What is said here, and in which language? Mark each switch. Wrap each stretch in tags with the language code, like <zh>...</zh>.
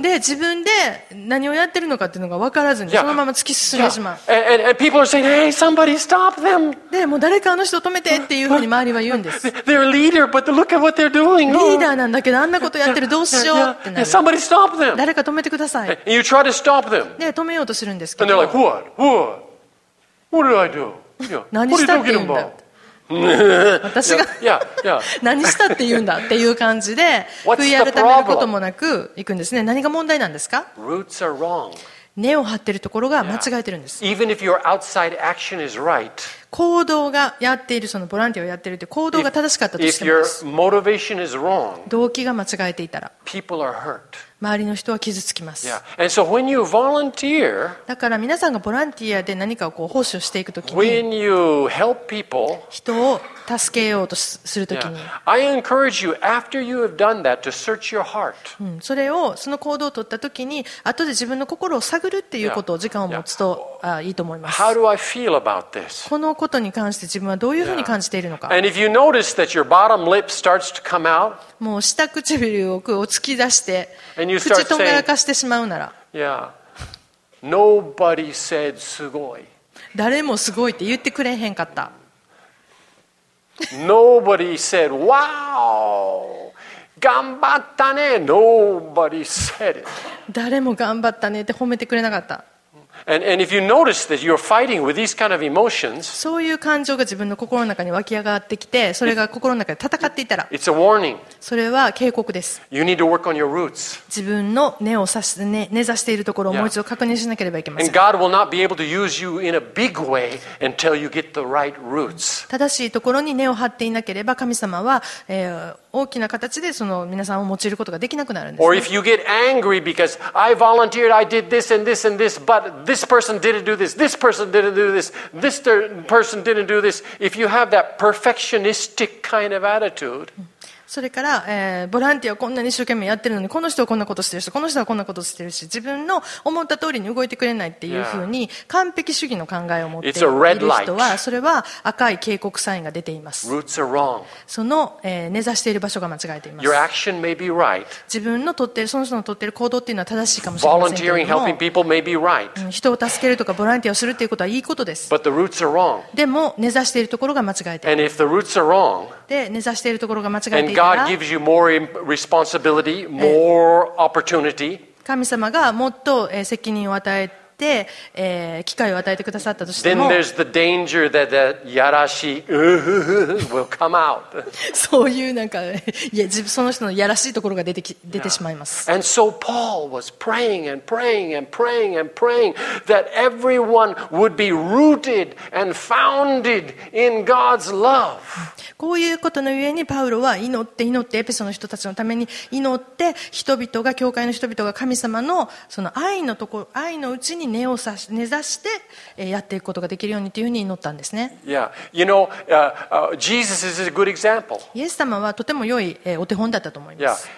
<ja>で自分で何をやってるのかっていうのが分からずに、そのまま突き進んでしまう。</ja> <en>And people are saying, hey, somebody stop them.</en> <ja>でもう誰かあの人を止めてっていうふうに周りは言うんです。</ja> <en>They're a leader, but look at what they're doing.</en> <ja>リーダーなんだけどあんなことやってる、どうしようってなる。</ja> <en>Somebody stop them.</en> <ja>誰か止めてください。</ja> <en>Try to stop them.</en> <ja>で止めようとするんですけど。</ja> <en>And they're like, what? What? What did I do? Yeah.</en> <ja>何したって言うんだ。私が何したって言うんだっていう感じで悔い改めることもなく行くんですね。何が問題なんですか？</ja> <en>Roots are wrong.</en> <ja>根を張ってるところが間違えてるんです。</ja> <en>Yeah. Even if your outside action is right.</en> <ja>行動がやっている、そのボランティアをやっているって行動が正しかったとしても、</ja> <en>wrong,</en> <ja>動機が間違えていたら、周りの人は傷つきます。</ja> <en>Yeah. So、volunteer,</en> <ja>だから皆さんがボランティアで何かをこう奉仕をしていくときに、</ja> <en>when you help people,</en> <ja>人を助けようとするときに、</ja> <en>yeah. I encourage you after you have done that to search your heart.、</en> <ja>うん、それをその行動を取ったときに、後で自分の心を探るっていうことを時間を持つと、いいと思います。</ja> <en>How do I feel about this?</en> <ja>このことに関して自分はどういうふうに感じているのか。</ja> <en>And if you notice that your bottom lip starts to come out,</en> <ja>もう下唇をこう突き出して、口とんがらかしてしまうなら、</ja> <en>Yeah, nobody said</en> <ja>すごい。誰もすごいって言ってくれへんかった。</ja> <en>Nobody said, wow,</en> <ja>頑張ったね。</ja> <en>Nobody said it.</en> <ja>誰も頑張ったねって褒めてくれなかった。</ja> <en>And if you notice that you're fighting with these kind of emotions,</en> <ja>そういう感情が自分の心の中に湧き上がってきて、それが心の中で戦っていたら、</ja> <en>it's a warning.</en> <ja>それは警告です。</ja> <en>You need to work on your roots.</en> <ja>自分の根を刺し、根ざしているところをもう一度確認しなければいけません。</ja> <en>And God will not be able to use you in a big way until you get the right roots.</en> <ja>正しいところに根を張っていなければ、神様は、大きな形でその皆さんを用いることができなくなるんです、ね。</ja> <en>Or if you get angry because I volunteered, I did this and this and this, but this person didn't do this, this person didn't do this, this person didn't do this. If you have that perfectionistic kind of attitude,</en> <ja>それから、ボランティアをこんなに一生懸命やってるのにこの人はこんなことしてるし、この人はこんなことしてるし、自分の思った通りに動いてくれないっていうふうに完璧主義の考えを持っている人は、それは赤い警告サインが出ています。その、根ざしている場所が間違えています。</ja> <en>Your action may be right.</en> <ja>自分の取っているその人の取っている行動っていうのは正しいかもしれませんけれども、人を助けるとかボランティアをするっていうことはいいことです。</ja> <en>But the roots are wrong.</en> <ja>でも根ざしているところが間違えています</ja> <en>And if the roots are wrong,</en> <ja>で根ざしているところが間違えていたら、</ja> <en>And God gives you more responsibility, more opportunity.</en> <ja>神様がもっと責任を与えてで、機会を与えてくださったとしても、</ja> <en>then there's the danger that the</en> <ja>やらしい</ja> <en>will come out.</en> <ja>そういうなんか、いや、その人のやらしいところが出てしまいます。</ja> <en>And so Paul was praying and praying and praying and praying that everyone would be rooted and founded in God's love.</en> <ja>こういうことのゆえにパウロは祈って祈ってエペソの人たちのために祈って人々が教会の人々が神様のその愛のところ愛のうちに根を刺し根ざしてやっていくことができるようにというふうに祈ったんですね。</ja> <en>Yeah. You know, Jesus is a good example.</en> <ja>イエス様はとても良いお手本だったと思います。</ja>